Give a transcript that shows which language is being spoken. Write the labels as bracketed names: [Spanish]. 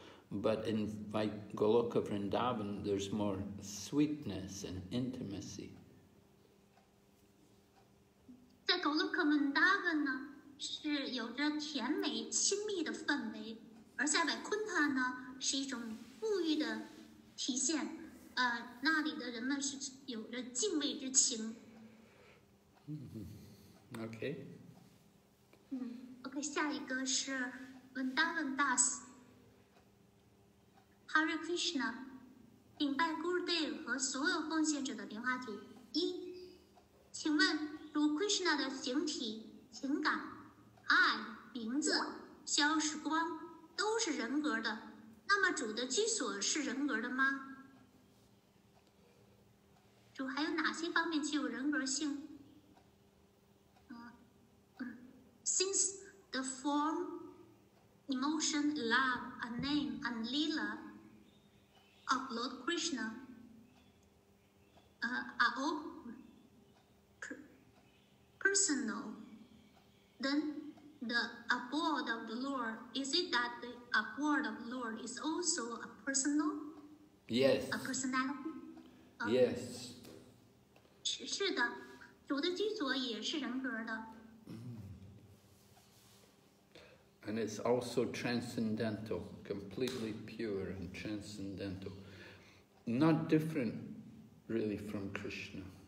[English] But in Goloka Vrindavan, there's more sweetness and intimacy. In Goloka Vrindavan, there's a sweet and intimate atmosphere. And in Vaikuntha, it's a rich atmosphere. [Chinese] 那里的人们是有着敬畏之情。 [English] Okay. Okay, [Chinese] 下一个是 Vrindavan Das Hare Krishna， 顶拜 Gurudev 和所有奉献者的莲花组。一，请问如 Krishna 的形体、情感、爱、名字、消时光都是人格的，那么主的居所是人格的吗？还有哪些方面具有人格性？ [English] Since the form, emotion, love, a name, and lila of Lord Krishna are all personal, then the abode of the Lord, is it that the abode of the Lord is also a personal? Yes. A personality? Yes. [Chinese] 是的，主的居所也是人格的。 [English] And it's also transcendental, completely pure and transcendental, not different really from Krishna.